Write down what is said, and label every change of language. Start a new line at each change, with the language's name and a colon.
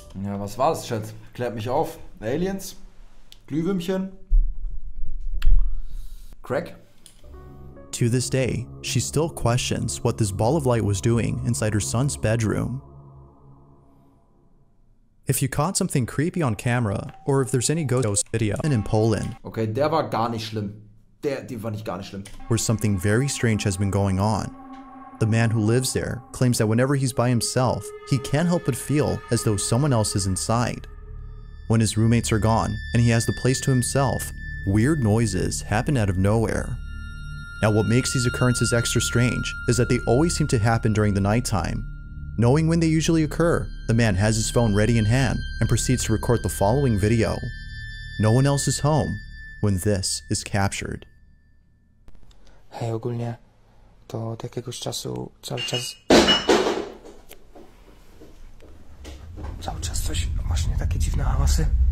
German: Ja, was war das, Schatz? Klärt mich auf. Aliens? Glühwürmchen? Crack?
English: To this day, she still questions what this ball of light was doing inside her son's bedroom. If you caught something creepy on camera, or if there's any ghost video in Poland,
German: okay, der war gar nicht schlimm. Der war nicht gar nicht schlimm.
English: Where something very strange has been going on. The man who lives there claims that whenever he's by himself, he can't help but feel as though someone else is inside. When his roommates are gone and he has the place to himself, weird noises happen out of nowhere. Now, what makes these occurrences extra strange is that they always seem to happen during the nighttime. Knowing when they usually occur, the man has his phone ready in hand and proceeds to record the following video. No one else is home when this is captured.
Polish: Hej, ogólnie to od jakiegoś czasu cały czas coś właśnie takie dziwne hałasy.